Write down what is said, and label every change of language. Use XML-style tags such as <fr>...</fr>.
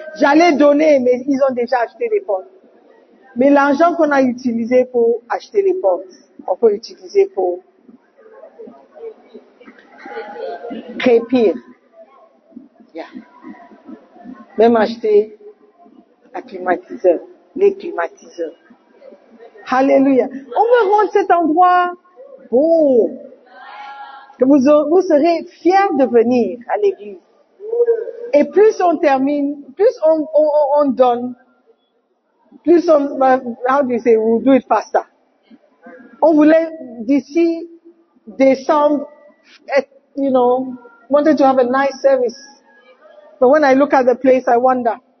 <fr>J'allais donner, mais ils ont déjà acheté les portes. Mais l'argent qu'on a utilisé pour acheter les portes, on peut utiliser pour créer pire. Yeah. Même acheter un climatiseur, les climatiseurs. Alléluia. On veut rendre cet endroit beau. Que vous serez fiers de venir à l'église. Et plus on termine, plus on donne, plus on,</fr> <en>how do you say, we'll do it faster.</en> <fr>On voulait d'ici décembre,</fr> <en>you know, wanted to have a nice service. But when I look at the place, I wonder.</en>